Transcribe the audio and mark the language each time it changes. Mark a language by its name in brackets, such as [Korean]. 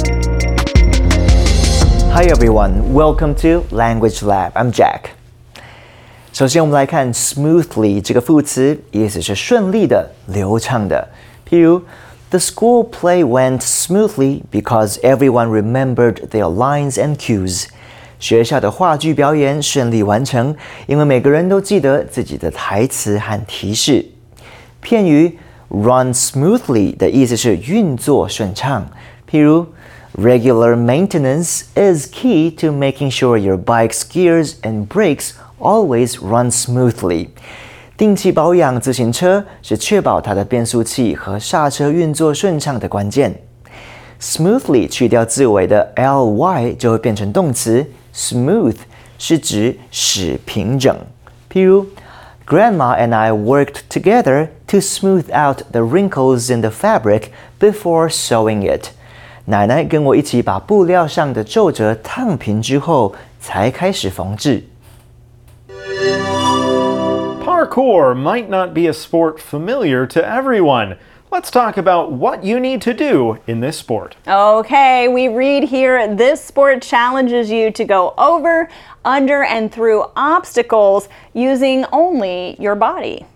[English] Hi everyone, welcome to Language Lab. I'm Jack. [Chinese] 首先我们来看 smoothly 这个副词，意思是顺利的、流畅的。譬如 [English] The school play went smoothly because everyone remembered their lines and cues. [Chinese] 学校的话剧表演顺利完成，因为每个人都记得自己的台词和提示。片语 run smoothly 的意思是运作顺畅。譬如 [English] Regular maintenance is key to making sure your bike's gears and brakes always run smoothly. [Chinese] 定期保养自行车是确保它的变速器和刹车运作顺畅的关键。 Smoothly 去掉字尾的 ly 就会变成动词 smooth 是指使平整。譬如 [English] Grandma and I worked together to smooth out the wrinkles in the fabric before sewing it. [Chinese] 奶奶跟我一起把布料上的皱褶烫平之后，才开始缝制。 [English] Parkour might not be a sport familiar to everyone. Let's talk about what you need to do in this sport. Okay, we read here, this sport challenges you to go over, under, and through obstacles using only your body.